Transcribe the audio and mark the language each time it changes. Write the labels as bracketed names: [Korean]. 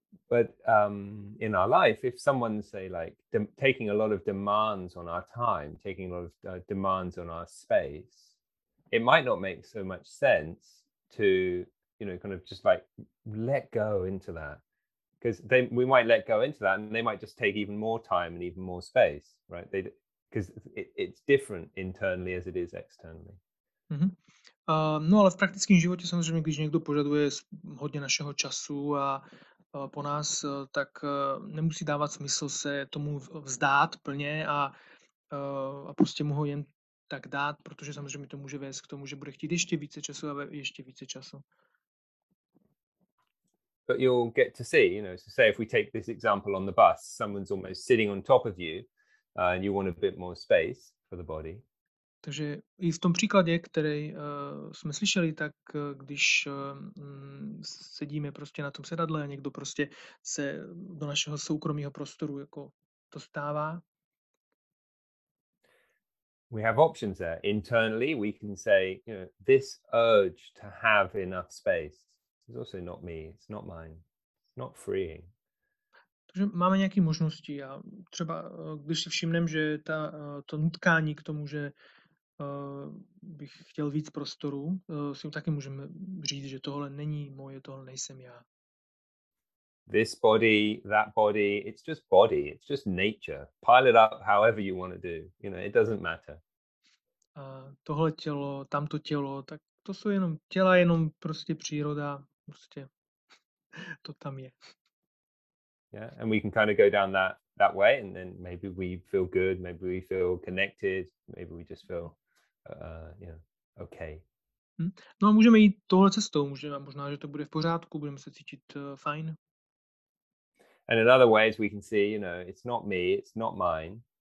[English] But in our life, if someone say like taking a lot of demands on our time, taking a lot of demands on our space, it might not make so much sense to, you know, kind of just like let go into that. Because they, we might let go into that, and they might just take even more time and even more space, right? Because it's different internally as it is externally. Mm-hmm. [Czech] No, ale v praktickém životě samozřejmě, když někdo požaduje hodně našeho času a po nás, tak nemusí dávat smysl se tomu vzdát plně a prostě mu ho jen tak dát, protože samozřejmě to může vést k tomu, že bude chtít ještě více času a ještě více času. [English] But you'll get to see, you know, so say if we take this example on the bus, someone's almost sitting on top of you and you want a bit more space for the body. [Czech] Takže i v tom příkladě, který jsme slyšeli, tak když sedíme prostě na tom sedadle a někdo prostě se do našeho soukromého prostoru jako to stává. [English] We have options there. Internally, we can say, you know, this urge to have enough space. It's also not me, it's not mine, it's not freeing. [Czech] Takže máme nějaké možnosti a třeba když si všimnem, že to nutkání k tomu, že bych chtěl víc prostoru, si taky můžeme říct, že tohle není moje, tohle nejsem já. [English] This body, that body, it's just body, it's just nature. Pile it up however you want to do, you know, it doesn't matter. [Czech] Tohle tělo, tamto tělo, tak to jsou jenom těla, jenom prostě příroda. Prostě to tam je. [English] Yeah, and we can kind of go down that way, and then maybe we feel good, maybe we feel connected, maybe we just feel, you know, okay. [Czech] No a můžeme jít tohle cestou, možná, že to bude v pořádku, budeme se cítit fajn. [English] And in other ways, we can see, you know, it's not me, it's not mine.